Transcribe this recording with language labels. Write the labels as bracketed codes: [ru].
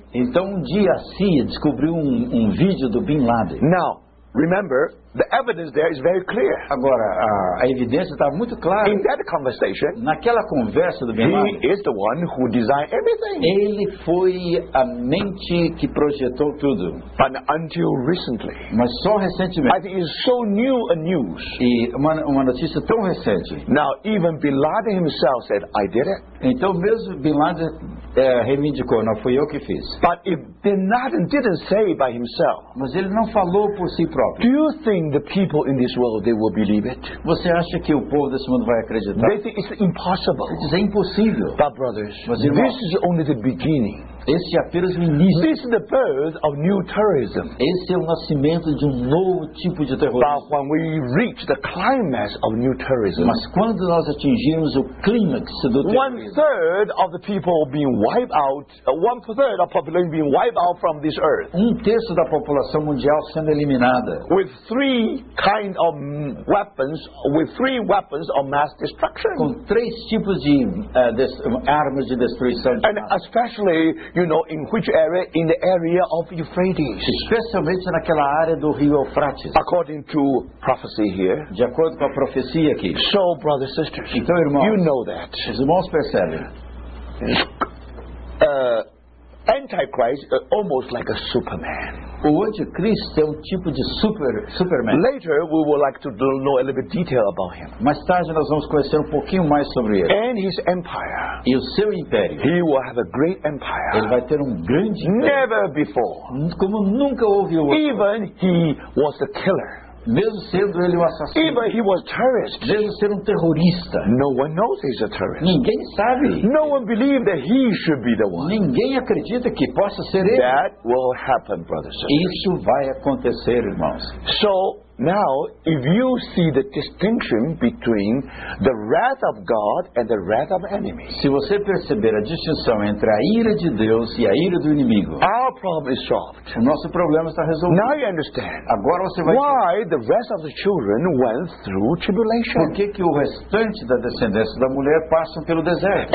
[pt] Então dia a CIA descobriu um vídeo do Bin Laden. [en] Now, remember, the evidence there is very clear. [pt] Agora, a evidência está muito clara. [en] In that conversation, [pt] naquela conversa do Bin Laden, [en] he is the one who designed everything. [pt] Ele foi a mente que projetou tudo. [en] But until recently, [pt] mas só recentemente. [en] It is so new a news. [pt] E uma notícia tão recente. [en] Now, even Bin Laden himself said, "I did it." [pt] Então mesmo Bin Laden reivindicou, não fui eu que fiz. [en] But if Bin Laden didn't say by himself, [pt] mas ele não falou por si próprio. [en] Do you think the people in this world they will believe it? [pt] Você acha que o povo desse mundo vai acreditar? [en] They think it's impossible. It is [pt] impossível. [en] But brothers, [pt] mas irmãos, [en] this is only the beginning. [pt] Esse é apenas o início. [en] This is the birth of new terrorism. [pt] Esse é o nascimento de novo tipo de terrorismo. [en] But when we reach the climax of new terrorism, [pt] mas quando nós atingirmos o clímax do terrorismo, [en] 1/3 of the people being wiped out, 1/3 of population being wiped out from this earth. [pt] 1/3 da população mundial sendo eliminada. [en] With three kind of weapons, with three weapons of mass destruction. [pt] Com três tipos de armas de destruição. [en] And especially, you know, in which area? In the area of Euphrates. [pt] Especialmente naquela área do rio Eufrates. [en] According to prophecy here. [pt] De acordo com a profecia aqui. [en] So, brothers and sisters. [pt] Então, irmãos, [en] you know that. [pt] Os irmãos percebem. [en] Antichrist almost like a Superman. [pt] O anticristo é um tipo de Superman. [en] Later we would like to know a little bit detail about him. [pt] Mais tarde nós vamos conhecer um pouquinho mais sobre ele. [en] And his empire. [pt] E o seu império. [en] He will have a great empire. [pt] Ele vai ter um grande império. [en] Never before. [pt] Como nunca houve outro. [en] Even he was a killer. [pt] Mesmo sendo ele um assassino. [en] Even he was terrorist. [pt] Mesmo ser um terrorista. [en] No one knows he's a terrorist. [pt] Ninguém sabe. [en] No one believes that he should be the one. [pt] Ninguém acredita que possa ser ele. [en] That will happen, brothers and sisters. [pt] Isso vai acontecer, irmãos. [en] So now, if you see the distinction between the wrath of God and the wrath of enemy, [pt] se você perceber a distinção entre a ira de Deus e a ira do inimigo, [en] our problem is solved. [pt] O nosso problema está resolvido. [en] Now you understand. [pt] Agora você vai. [en] Why the rest of the children went through tribulation? [pt] Por que o restante da descendência da mulher passam pelo deserto?